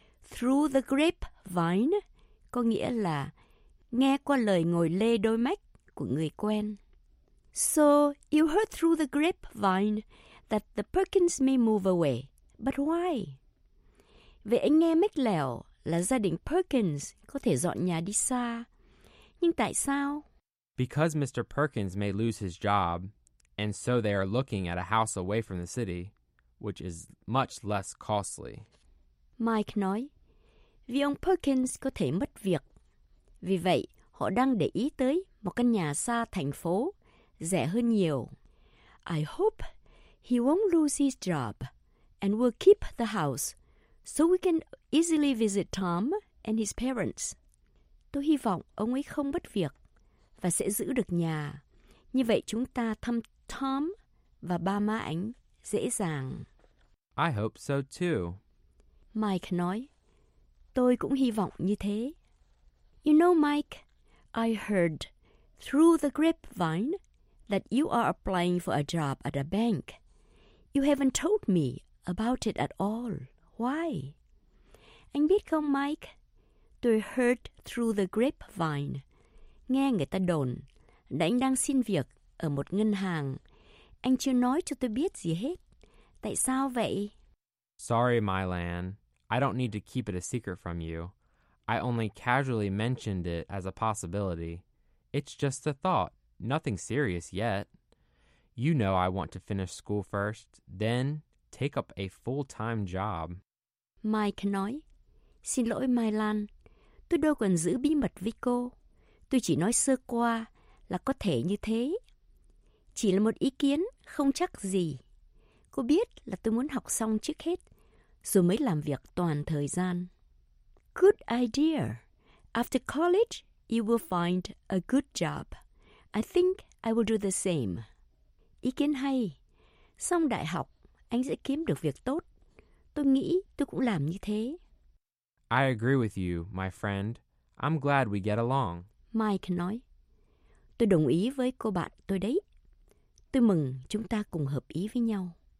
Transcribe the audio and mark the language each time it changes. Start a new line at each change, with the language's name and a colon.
English: Through the grapevine
Vietnamese: có nghĩa là nghe qua lời ngồi lê đôi mách của người quen.
English: So, you heard through the grapevine that the Perkins may move away. But why?
Vietnamese: Vậy anh nghe mách lẻo là gia đình Perkins có thể dọn nhà đi xa. Nhưng tại sao?
English: Because Mr. Perkins may lose his job, and so they are looking at a house away from the city, which is much less costly.
Vietnamese: Mike nói, vì ông Perkins có thể mất việc. Vì vậy, họ đang để ý tới một căn nhà xa thành phố, rẻ hơn nhiều.
English: I hope he won't lose his job and will keep the house so we can easily visit Tom and his parents.
Vietnamese: Tôi hy vọng ông ấy không mất việc và sẽ giữ được nhà. Như vậy chúng ta thăm Tom và ba má anh dễ dàng.
English: I hope so too.
Vietnamese: Mike nói, tôi cũng hy vọng như thế.
English: You know, Mike, I heard through the grapevine that you are applying for a job at a bank. You haven't told me about it at all. Why?
Vietnamese: Anh biết không, Mike? Tôi
English: heard through the grapevine.
Vietnamese: Nghe người ta đồn là anh đang xin việc ở một ngân hàng. Anh chưa nói cho tôi biết gì hết. Tại sao vậy?
English: Sorry, Mylan. I don't need to keep it a secret from you. I only casually mentioned it as a possibility. It's just a thought. Nothing serious yet. You know I want to finish school first, then take up a full-time job.
Vietnamese: Mike nói, xin lỗi Mylan, tôi đâu cần giữ bí mật với cô. Tôi chỉ nói sơ qua là có thể như thế. Chỉ là một ý kiến không chắc gì. Cô biết là tôi muốn học xong trước hết, rồi mới làm việc toàn thời gian.
English: Good idea. After college, you will find a good job. I think I will do the same.
Vietnamese: Ý kiến hay. Xong đại học, anh sẽ kiếm được việc tốt. Tôi nghĩ tôi cũng làm như thế.
English: I agree with you, my friend. I'm glad we get along.
Vietnamese: Mike nói. Tôi đồng ý với cô bạn tôi đấy. Tôi mừng chúng ta cùng hợp ý với nhau.